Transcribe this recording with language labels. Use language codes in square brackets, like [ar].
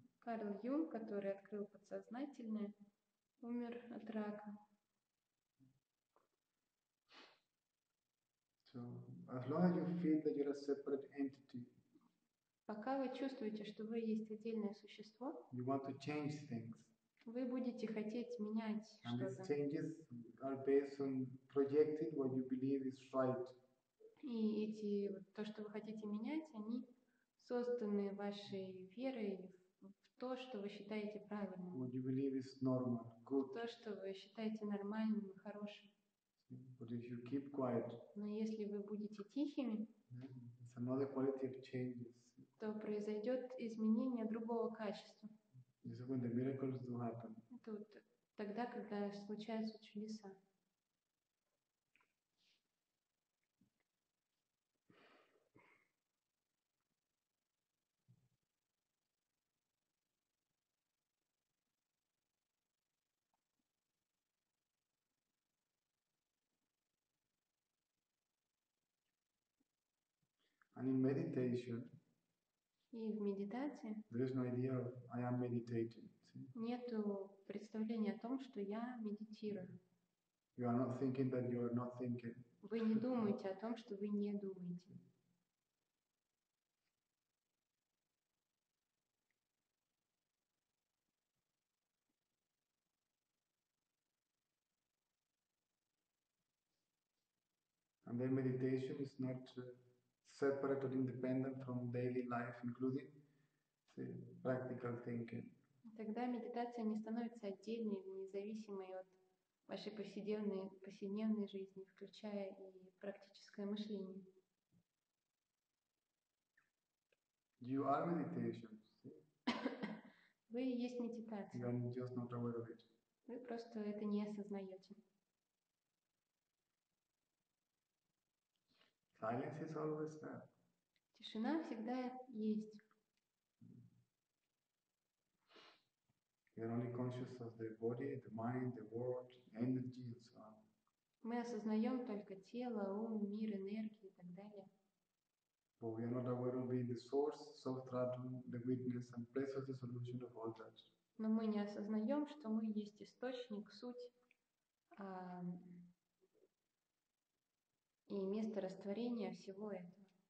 [ru] Карл Юнг, который открыл подсознательное, умер от рака. [en] So, as long as you feel that you're a separate entity, [ru] пока вы чувствуете, что вы есть отдельное существо, [en] you want to change things. [ru] Вы будете хотеть менять [en] and [ru] что-то. [en] These changes are based on projecting what you believe is right. [ru] И эти, то, что вы хотите менять, они созданы вашей верой в то, что вы считаете правильным. [en] What you believe is normal, good. [ru] То, что вы считаете нормальным и хорошим. [en] But if you keep quiet, [ru] но если вы будете тихими, [en] it's another quality of changes. [ru] То произойдет изменение другого качества. [en] This is when the miracles do happen. [ru] Это вот тогда, когда случаются чудеса. [en] And in meditation, [ru] и в медитации [en] there is no idea of I am meditating. [ru] Нету представления о том, что я медитирую. [en] You are not thinking that you are not thinking. [ru] Вы не думаете о том, что вы не думаете. [en] And then meditation is not separate or independent from daily life, including practical thinking. [ru] Тогда медитация не становится отдельной, независимой от вашей повседневной жизни, включая и практическое мышление. [en] You are meditation. [ru] Вы есть медитация. [en] You are just not aware of it. [ru] Вы просто это не осознаете. [en] Silence is always there. [ru] Тишина всегда есть. [en] You are only conscious of the body, the mind, the world, energy, and so on. [ru] Мы осознаем только тело, ум, мир, энергии и так далее. [en] But we are not aware of being the source, substratum, the witness, and place of the solution of all that. [ru] Но мы не осознаем, что мы есть источник, суть. И место растворения всего этого.